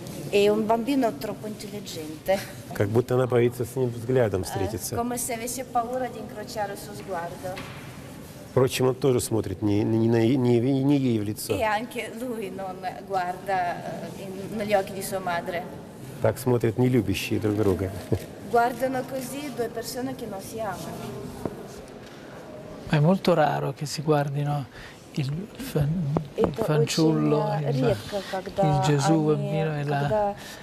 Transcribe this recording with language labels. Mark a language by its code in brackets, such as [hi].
[it] È un bambino troppo intelligente. [ru] Как будто она боится с ним взглядом встретиться. [it] Come se avesse paura di incrociare il suo sguardo. [ru] Впрочем, он тоже смотрит не ей в лицо. [it] E anche lui non guarda negli occhi di sua madre. [ru] Так смотрят не любящие друг друга. [it] Guardano così due persone che non si amano. È molto raro che si guardino Il fanciullo, il Gesù bambino e la